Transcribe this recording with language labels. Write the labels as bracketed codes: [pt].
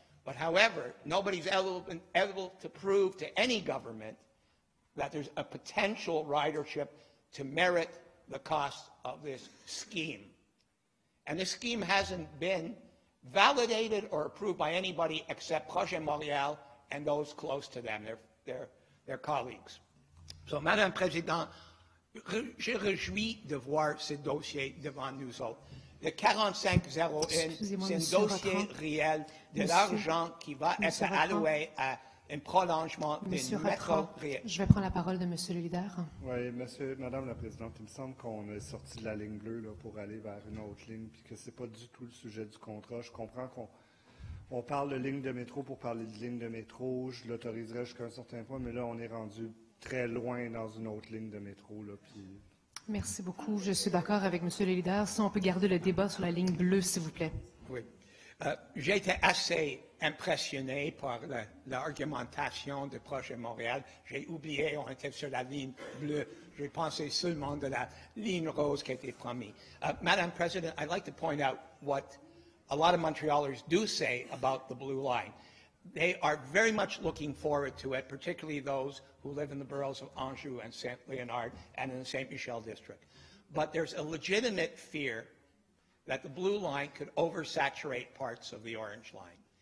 [en] But however, nobody's able to prove to any government that there's a potential ridership to merit the cost of this scheme. And this scheme hasn't been validated or approved by anybody except Projet Montréal and those close to them, their colleagues. [fr] So, Madame Présidente, je réjouis de voir ce dossier devant nous autres. Le 4501, c'est un dossier réel de l'argent qui va être alloué à un prolongement Monsieur des métro réel. Je vais prendre la parole de M. le leader. Oui, monsieur, Madame la Présidente, il me semble qu'on est sorti de la ligne bleue là, pour aller vers une autre ligne, puis que ce n'est pas du tout le sujet du contrat. Je comprends qu'on parle de ligne de métro pour parler de ligne de métro. Je l'autoriserai jusqu'à un certain point, mais là, on est rendu très loin dans une autre ligne de métro. Là, puis... Merci beaucoup. Je suis d'accord avec M. le leader. Si on peut garder le débat sur la ligne bleue, s'il vous plaît. Oui. J'ai été assez impressionné par l'argumentation de Projet Montréal. J'ai oublié, on était sur la ligne bleue. J'ai pensé seulement de la ligne rose qui a été promise. [en] Madame President, I'd like to point out what a lot of Montrealers do say about the blue line. They are very much looking forward to it, particularly those who live in the boroughs of Anjou and Saint-Léonard and in the Saint-Michel district. But there's a legitimate fear that the blue line could oversaturate parts of the orange line.